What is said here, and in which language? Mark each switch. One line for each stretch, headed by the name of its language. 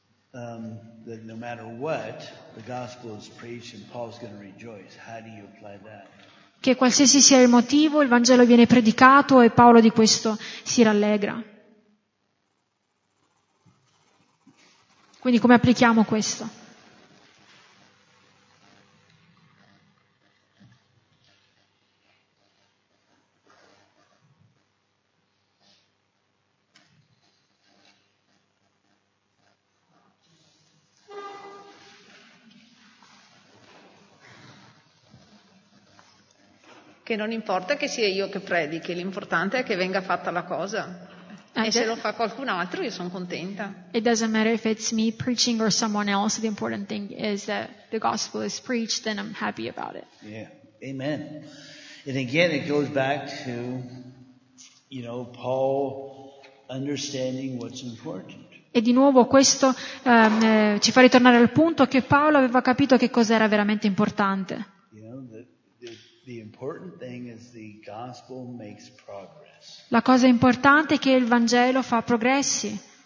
English: That no matter what the gospel is preached and Paul's going to rejoice. How do you apply that?
Italian: Che qualsiasi sia il motivo, il Vangelo viene predicato e Paolo di questo si rallegra. Quindi come applichiamo questo? Che non importa che sia io che predichi, l'importante è che venga fatta la cosa. E se lo fa qualcun altro, io sono contenta.
English: It doesn't matter if it's me preaching or someone else. The important thing is that the gospel is preached, then I'm happy about it. Yeah, amen. And again, it goes back to, you know, Paul understanding what's important.
Italian: E di nuovo questo ci fa ritornare al punto che Paolo aveva capito che cosa era veramente importante.
English: You know, the important thing is the gospel makes progress.
Italian: La cosa importante è che il Vangelo fa progressi.